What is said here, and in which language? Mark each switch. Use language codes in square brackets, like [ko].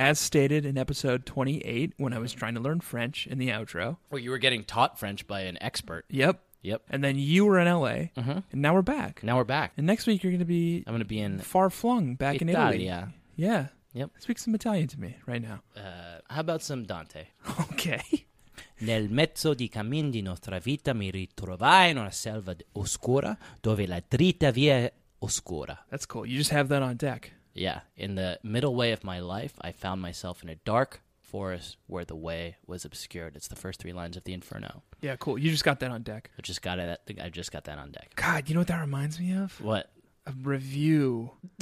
[en] as stated in episode 28 when I was trying to learn French in the outro. Well, you were getting taught French by an expert. Yep. Yep. And then you were in LA. Mm-hmm. And now we're back. Now we're back. And next week you're going to be in far flung back Italia. In Italy. Yeah. Yeah. Yep. Speak some Italian to me right now. How about some Dante? Okay. [it] Nel mezzo di cammin di nostra vita mi ritrovai in una selva oscura dove la dritta via oscura. [en] That's cool. You just have that on deck. Yeah. In the middle way of my life, I found myself in a dark forest where the way was obscured. It's the first three lines of the Inferno. Yeah, cool. You just got that on deck. I just got that on deck. God, you know what that reminds me of? What? A review.